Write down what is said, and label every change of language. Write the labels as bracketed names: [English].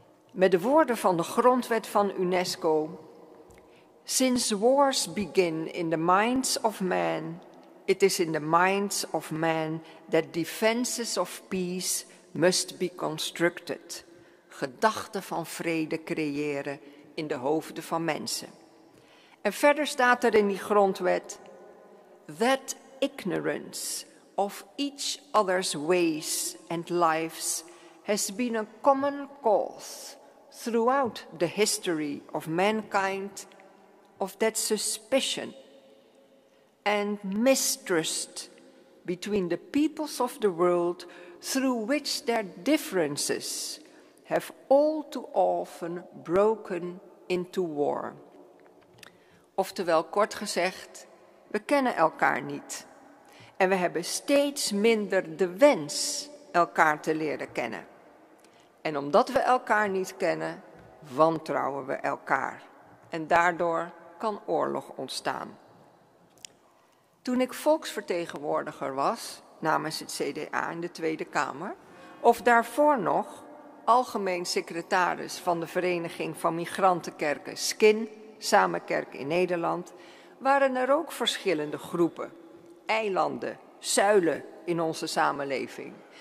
[Dutch] Met de woorden van de grondwet van UNESCO: [English] Since wars begin in the minds of man, it is in the minds of man that defenses of peace must be constructed. [Dutch] Gedachten van vrede creëren in de hoofden van mensen. En verder staat er in die grondwet: [English] That ignorance of each other's ways and lives has been a common cause throughout the history of mankind, of that suspicion and mistrust between the peoples of the world through which their differences have all too often broken into war. [Dutch] Oftewel, kort gezegd, we kennen elkaar niet. En we hebben steeds minder de wens elkaar te leren kennen. En omdat we elkaar niet kennen, wantrouwen we elkaar. En daardoor kan oorlog ontstaan. Toen ik volksvertegenwoordiger was namens het CDA in de Tweede Kamer, of daarvoor nog algemeen secretaris van de Vereniging van Migrantenkerken SKIN, Samenkerk in Nederland, waren er ook verschillende groepen, eilanden, zuilen in onze samenleving.